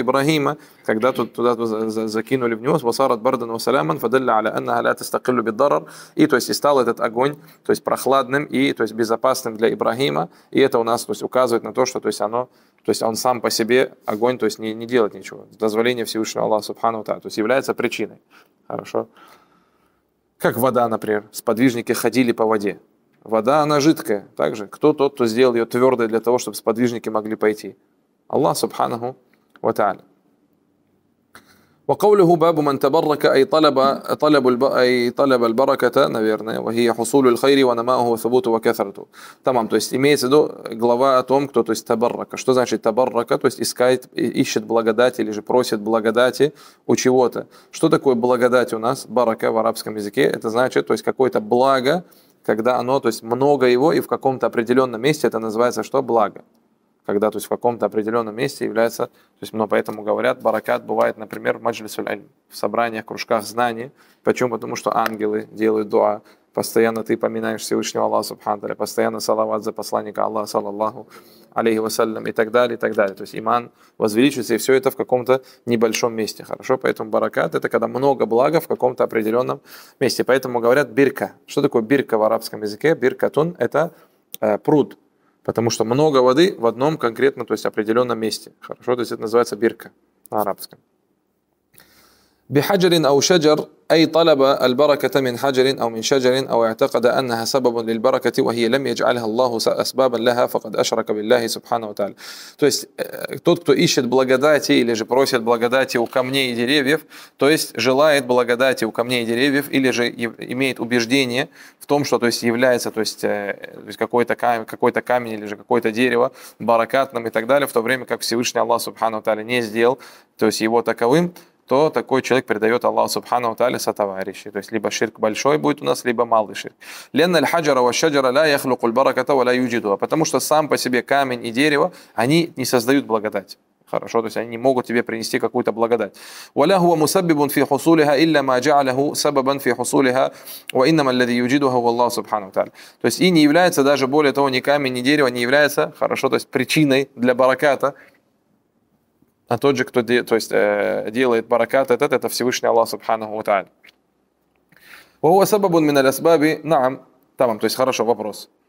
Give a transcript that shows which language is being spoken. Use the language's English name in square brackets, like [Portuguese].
[Russian] Ибрахима, когда туда закинули в него, [Arabic] وصارت بردا وسلاما فدل على أنها لا تستقل بالضرر, [Russian] и, то есть, стал этот огонь, то есть, прохладным и, то есть, безопасным для Ибрахима, и это у нас, то есть, указывает на то, что, то есть, оно, то есть, он сам по себе огонь, то есть, не делает ничего, дозволение Всевышнего Аллаха Субхану ва Тааля, то есть, является причиной. Хорошо. Как вода, например, сподвижники ходили по воде. Вода, она жидкая. Также кто тот, кто сделал ее твердой для того, чтобы сподвижники могли пойти? Аллах Субханаху ва Тааля. [Arabic] وقوله باب من تبرك أي طلب طلب الب أي طلب البركة наверное وهي حصول الخير ونماؤه وثبوته وكثرته. [Russian] Тамам, то есть имеется в виду глава о том, кто, то есть табаррака. Что значит табаррака? То есть искает, ищет благодати или же просит благодати у чего-то. Что такое благодать у нас? Барака в арабском языке, это значит, то есть какое-то благо, когда оно, то есть много его и в каком-то определенном месте, это называется что? Благо. Когда, то есть, в каком-то определенном месте является, то есть, но поэтому говорят, баракат бывает, например, в маджлис-уль-альм, в собраниях, кружках знаний. Почему? Потому что ангелы делают дуа, постоянно ты поминаешь Всевышнего Аллаха Субхану ва Тааля, постоянно салават за посланника Аллаха, саллаллаху алейхи ва саллям, и так далее, и так далее. То есть иман возвеличивается, и все это в каком-то небольшом месте. Хорошо, поэтому баракат – это когда много блага в каком-то определенном месте. Поэтому говорят бирка. Что такое бирка в арабском языке? Биркатун – это пруд. Потому что много воды в одном конкретно, то есть определенном месте. Хорошо, то есть это называется бирка на арабском. [Arabic] بحجرين أو شجر أي طلب البركة من حجرين أو من شجرين أو اعتقد أنها سبب للبركة وهي لم يجعلها الله أسبابا لها فقد أشرك بالله سبحانه وتعالى. [Russian] То есть тот, кто ищет благодати или же просит благодати у камней и деревьев, то есть желает благодати у камней и деревьев или же имеет убеждение в том, что, то есть является, то есть какой-то камень или же какое-то дерево баракатным и так далее, в то время как Всевышний Аллах Субхану Тааля не сделал, то есть его таковым, то такой человек предает Аллаху Субхану ва Тааля сотоварищи. То есть либо ширк большой будет у нас, либо малый ширк. [Arabic] لأن الحجر والشجر لا يخلق البركة ولا يوجدها. [Russian] Потому что сам по себе камень и дерево, они не создают благодать. Хорошо, то есть они не могут тебе принести какую-то благодать. [Arabic] وله مسبب في حصولها الا ما جعله سببا في حصولها وانما الذي يجدها هو الله سبحانه وتعالى. [Russian] То есть и не является даже более того ни камень, ни дерево не является, хорошо, то есть причиной для бараката. А тот же, кто делает баракат этот, это Всевышний Аллах Субханаху ва Тааля. [Arabic] وهو سبب من الاسباب. نعم. [Russian] Тамам. То есть хорошо, вопрос.